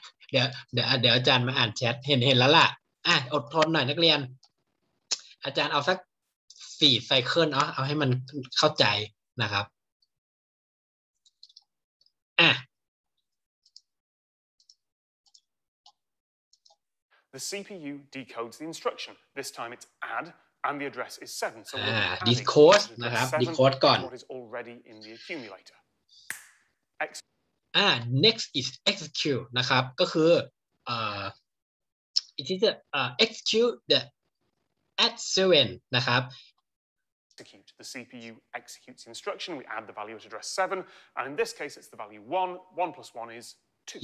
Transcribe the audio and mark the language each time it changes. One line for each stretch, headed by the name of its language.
Thai: เดี๋ยวอาจารย์มาอ่านแชทเห็นแล้วล่ะอ่ะอดทนหน่อยนักเรียนอาจารย์เอาสัก4ไซเคิลเนาะเอาให้มันเข้าใจนะครับอ่ะ
English: The CPU decodes the instruction this time it's add and the address is 7 so decode นะครับ decode ก่อน already in the accumulator next is execute นะครับก็คือit is execute the add 7นะครับ execute the CPU executes instruction we add the value at address 7 and in this case it's the value 1 1 plus 1 is 2